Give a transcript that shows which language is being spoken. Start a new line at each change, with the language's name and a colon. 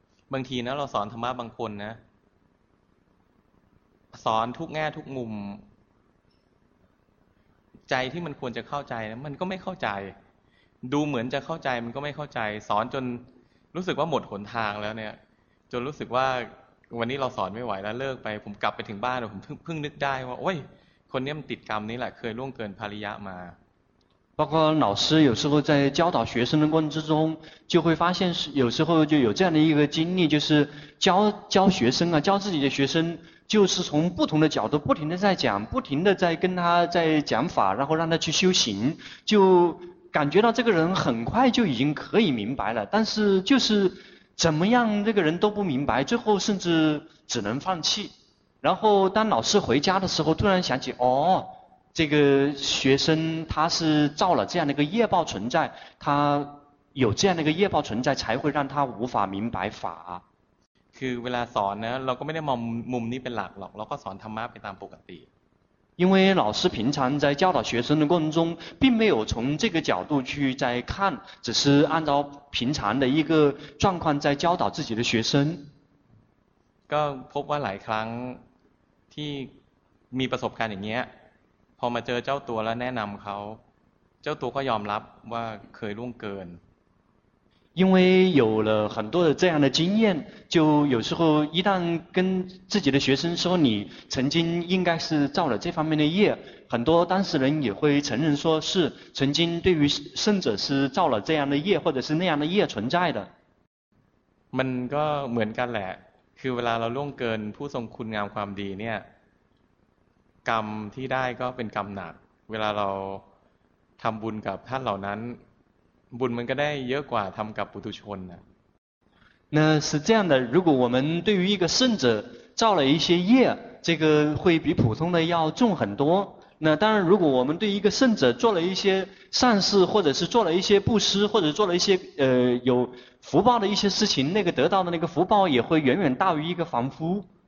Thai: บางทีนะเราสอนธรรมะบางคนนะสอนทุกแง่ทุกมุมใจที่มันควรจะเข้าใจนะมันก็ไม่เข้าใจดูเหมือนจะเข้าใจมันก็ไม่เข้าใจสอนจนรู้สึกว่าหมดหนทางแล้วเนี่ยจนรู้สึกว่าวันนี้เราสอนไม่ไหวแล้วเลิกไปผมกลับไปถึงบ้านผมเพิ่งนึกได้ว่าโอ้ยคนนี้มันติดกรรมนี้แหละเคยล่วงเกินภริยามา
Chinese: 包括老师有时候在教导学生的过程之中就会发现有时候就有这样的一个经历就是教学生啊教自己的学生就是从不同的角度不停的在讲不停的在跟他在讲法然后让他去修行就感觉到这个人很快就已经可以明白了但是就是怎么样这个人都不明白最后甚至只能放弃然后当老师回家的时候突然想起哦这个学生他是造了这样的一个业报存在他有这样的一个业报存在才会让他无法明白法
Thai: คือเวลาสอนนะเราก็ไม่ได้มองมุมนี้เป็นหลักหรอกเราก็สอนธรรมะไปตามปกติ
Chinese: 因为老师平常在教导学生的过程中并没有从这个角度去在看只是按照平常的一个状况在教导自己的学生
Thai: ก็พบว่าหลายครั้งที่มีประสบการณ์อย่างเงี้ยพอมาเจอเจ้าตัวแล้วแนะนําเขาเจ้าตัวก็ยอมรับว่าเคยล่วงเกิน
Chinese: 因为有了很多的这样的经验就有时候一旦跟自己的学生说你曾经应该是造了这方面的业很多当事人也会承认说是曾经对于圣者是造了这样的业或者是那样的业存在的
Thai: มันก็เหมือนกันแหละคือเวลาเราล่วงเกินผู้ทรงคุณงามความดีเนี่ยกรรมที่ได้ก็เป็นกรรมหนักเวลาเราทำบุญกับท่านเหล่านั้นบุญมันก็ได้เยอะกว่าทำกับปุถุชนนะ
Chinese: 那是这样的如果我们对于一个圣者造了一些业这个会比普通的要重很多那当然，如果我们对一个圣者做了一些善事，或者是做了一些布施，或者做了一些有福报的一些事情，那个得到的那个福报也会远远大于一个凡夫。